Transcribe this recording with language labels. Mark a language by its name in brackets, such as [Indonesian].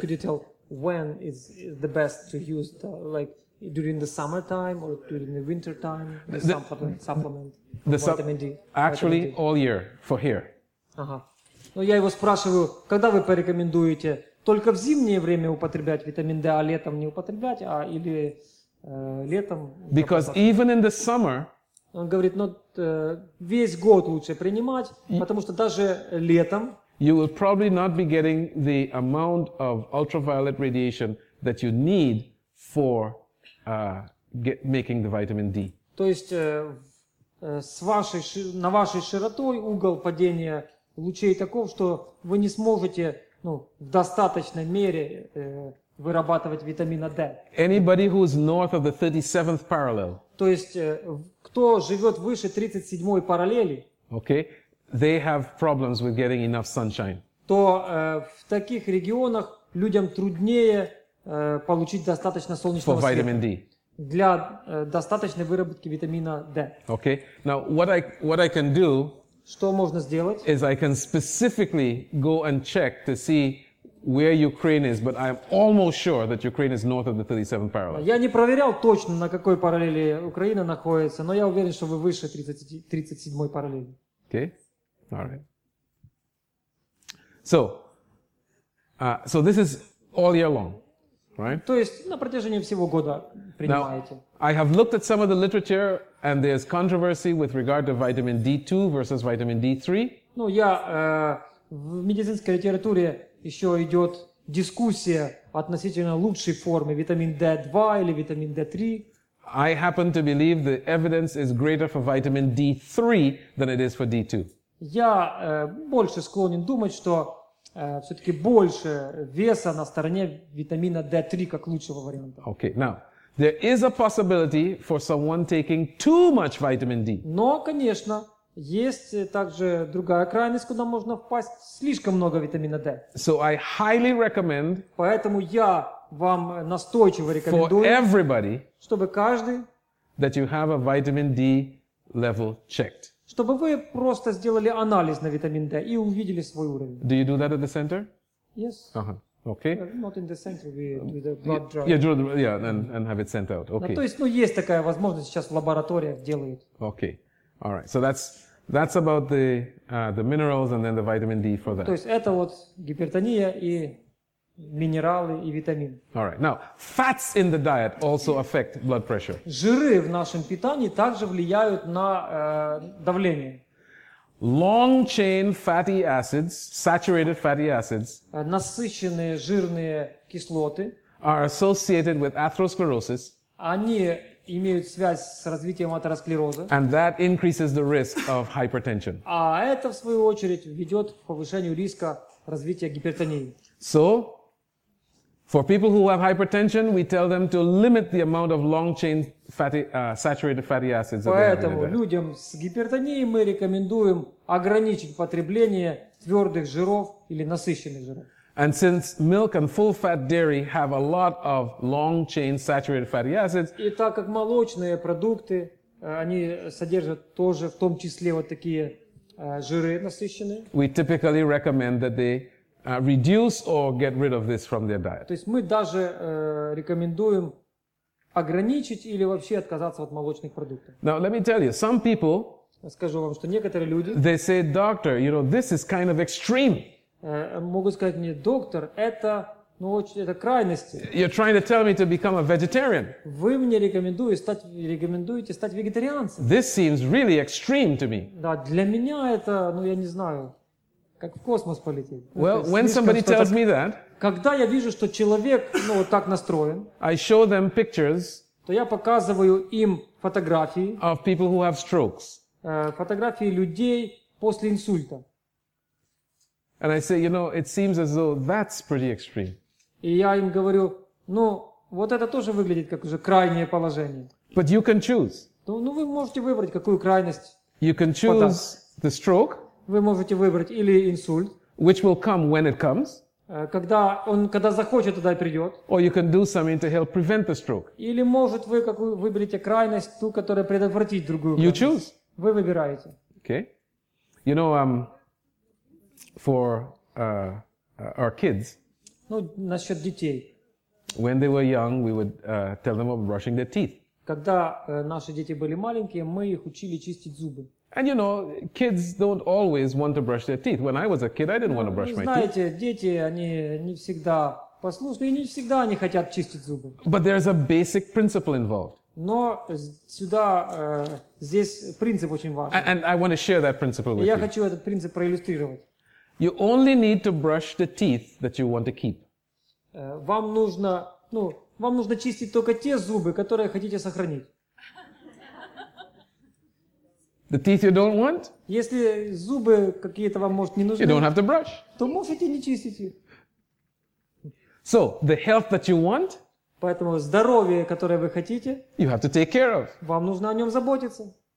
[English] Could you tell when is the best to use the, like during the summertime or during the winter time the supplement, vitamin D? Actually, vitamin D. All year for here. [Russian] Ну я его спрашиваю, когда вы порекомендуете только в зимнее время употреблять витамин D, а летом не употреблять, а или летом? [English] Because even in the summer. [Russian] Он говорит, ну весь год лучше принимать, потому что даже летом. [English] You will probably not be getting the amount of ultraviolet radiation that you need for making the vitamin D. [Russian] То есть с вашей на вашей широтой угол падения лучей таков, что вы не сможете ну в достаточной мере вырабатывать витамина D. [English] Anybody who is north of the 37th parallel. [Russian] То есть кто живет выше 37-й параллели. [English] Okay. They have problems with getting enough sunshine. [Russian] То в таких регионах людям труднее получить достаточно солнечного света. [English] For vitamin D. [Russian] Для достаточной выработки витамина D. [English] Okay. Now what I can do? [Russian] Что можно сделать? [English] Is I can specifically go and check to see where Ukraine is, but I'm almost sure that Ukraine is north of the 37th parallel. [Russian] Я не проверял точно, на какой параллели Украина находится, но я уверен, что вы выше 37-й параллели. [English] Okay. All right. So this is all year long, right? [Russian] То есть на протяжении всего года принимаете. [English] Now, I have looked at some of the literature, and there's controversy with regard to vitamin D2 versus vitamin D3. [Russian] Ну я в медицинской литературе еще идет дискуссия относительно лучшей формы витамин D2 или витамин D3. [English] I happen to believe the evidence is greater for vitamin D3 than it is for D2. [Russian] Я больше склонен думать, что все-таки больше веса на стороне витамина D3 как лучшего варианта. [English] Okay, now there is a possibility for someone taking too much vitamin D. [Russian] Но, конечно, есть также другая крайность, куда можно впасть: слишком много витамина D. [English] So I highly recommend. [Russian] Поэтому я вам настойчиво рекомендую. [English] For everybody. [Russian] Чтобы каждый. [English] That you have a vitamin D level checked. [Russian] Чтобы вы просто сделали анализ на витамин D и увидели свой уровень. [English] Do you do that at the center? Yes. Okay. Not in the center, we do the blood drive. And have it sent out. Okay. [Russian] То есть, ну есть такая возможность сейчас в лабораториях делают. [English] Okay. All right. So that's about the minerals and then the vitamin D for that. [Russian] То есть это вот гипертония и минералы и витамин. [English] All right. Now, fats in the diet also affect blood pressure. [Russian] Жиры в нашем питании также влияют на давление. [English] Long chain fatty acids, saturated fatty acids. [Russian] Насыщенные жирные кислоты. [English] Are associated with atherosclerosis. [Russian] Они имеют связь с развитием атеросклероза. [English] And that increases the risk of hypertension. [Russian] А это в свою очередь ведет к повышению риска развития гипертонии. [English] So for people who have hypertension, we tell them to limit the amount of long-chain fatty, saturated fatty acids. [Russian] Поэтому людям с гипертонией мы рекомендуем ограничить потребление твердых жиров или насыщенных жиров. [English] And since milk and full-fat dairy have a lot of long-chain saturated fatty acids, [Russian] и так как молочные продукты, они содержат тоже в том числе вот такие жиры насыщенные, [English] we typically recommend that they reduce or get rid of this from their diet. [Russian] То есть мы даже рекомендуем ограничить или вообще отказаться от молочных продуктов. [English] Now let me tell you, some people. [Russian] Скажу вам, что некоторые люди. [English] They say, doctor, you know, this is kind of extreme. [Russian] Могут сказать мне, доктор, это ну очень это крайности. [English] You're trying to tell me to become a vegetarian. [Russian] Вы мне рекомендуете стать вегетарианцем. [English] This seems really extreme to me. [Russian] Да, для меня это, ну я не знаю. Как в космос полететь. [English] Well, when somebody tells me that, [Russian] когда я вижу, что человек, ну, вот так настроен, [English] I show them pictures, [Russian] то я показываю им фотографии [English] of people who have strokes. [Russian] Фотографии людей после инсульта. [English] And I say, you know, it seems as though that's pretty extreme. [Russian] И я им говорю, ну, вот это тоже выглядит как уже крайнее положение. [English] But you can choose. [Russian] Ну, вы можете выбрать, какую крайность. [English] You can choose the stroke. [Russian] Вы можете выбрать или инсульт. [English] Which will come when it comes. [Russian] Когда захочет, тогда и придет. [English] Or you can do something to help prevent the stroke. [Russian] Или, может, вы какую выберете крайность, ту, которая предотвратит другую крайность. [English] You choose. [Russian] Вы выбираете. [English] Okay. You know, for our kids. [Russian] Ну, насчет детей. [English] When they were young, we would tell them about brushing their teeth. [Russian] Когда наши дети были маленькие, мы их учили чистить зубы. [English] And you know, kids don't always want to brush their teeth. When I was a kid, I didn't want to brush my teeth. [Russian] Знаете, дети, они не всегда послушны и не всегда они хотят чистить зубы. [English] But there's a basic principle involved. [Russian] Но сюда, здесь принцип очень важен. [English] And I want to share that principle with [Russian] я [English] you. [Russian] Я хочу этот принцип проиллюстрировать. [English] You only need to brush the teeth that you want to keep. [Russian] Вам нужно, ну, вам нужно чистить только те зубы, которые хотите сохранить. [English] The teeth you don't want? [Russian] Если зубы какие-то вам, может, не нужны, [English] you don't have to brush. [Russian] То можете не чистить их. [English] So, the health that you want? [Russian] Поэтому здоровье, которое вы хотите, [English] you have to take care of. [Russian] Вам нужно о нем заботиться.